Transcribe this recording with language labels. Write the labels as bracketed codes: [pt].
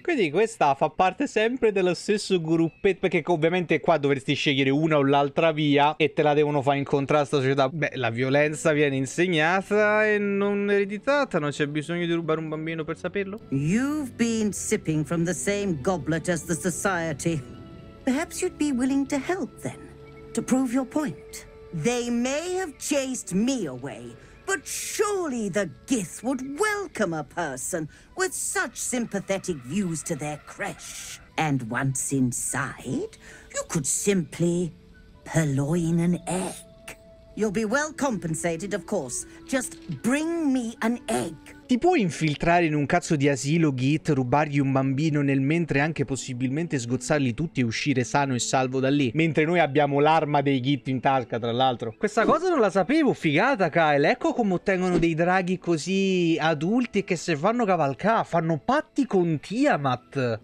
[it] Quindi questa fa parte sempre dello stesso gruppetto, perché ovviamente qua dovresti scegliere una o l'altra via e te la devono fare incontrare sta società. Beh, la violenza viene insegnata e non ereditata, non c'è bisogno di rubare un bambino per saperlo. [en] You've been sipping from the same goblet as the society. Perhaps you'd be willing to help then, to prove your point. They may have chased me away, but surely the Gith would welcome a person with such sympathetic views to their creche. And once inside, you could simply purloin an egg. You'll be well compensated, of course. Just bring me an egg. [it] Ti puoi infiltrare in un cazzo di asilo Git, rubargli un bambino nel mentre, anche possibilmente sgozzarli tutti e uscire sano e salvo da lì, mentre noi abbiamo l'arma dei Git in tasca, tra l'altro. Questa cosa non la sapevo, figata Kyle. Ecco come ottengono dei draghi così adulti che se fanno cavalcare, fanno patti con Tiamat.